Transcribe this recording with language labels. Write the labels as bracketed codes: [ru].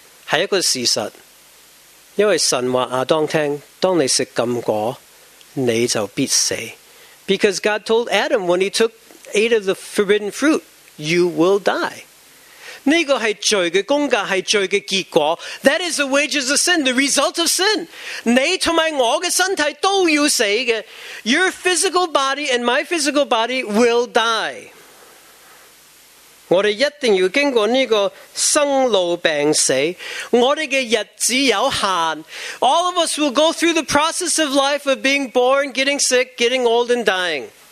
[zh] 是一个事实, 因为神说亚当听, 当你吃禁果, 你就必死。 [en] Because God told Adam when he took eight of the forbidden fruit, you will die. [zh] 这个是罪的公价, 是罪的结果, [en] that is the wages of sin, the result of sin. [zh] 你和我的身体都要死的, [en] your physical body and my physical body will die. [zh] 我们一定要经过这个生老病死, 我们的日子有限, [en] all of us will go through the process of life of being born, getting sick, getting old and dying.